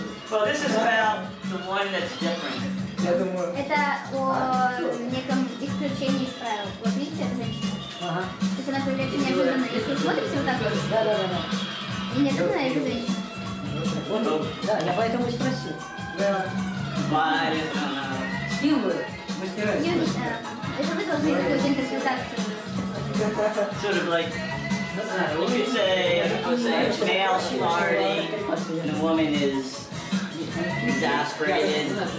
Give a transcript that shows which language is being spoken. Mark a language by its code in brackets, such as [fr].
[en] Well, this is about the one that's different. [ru] Это о неком исключении из правил. Вот видите, это значит? То есть она появляется неожиданно. Если смотрите вот так вот. Да. И неожиданно это женщина. Да, я поэтому и спросил. Да. Варит она. Стимулы. Это вы должны сделать интерпретацию. [en] Sort of like... we could say a male is farting and a woman is exasperated.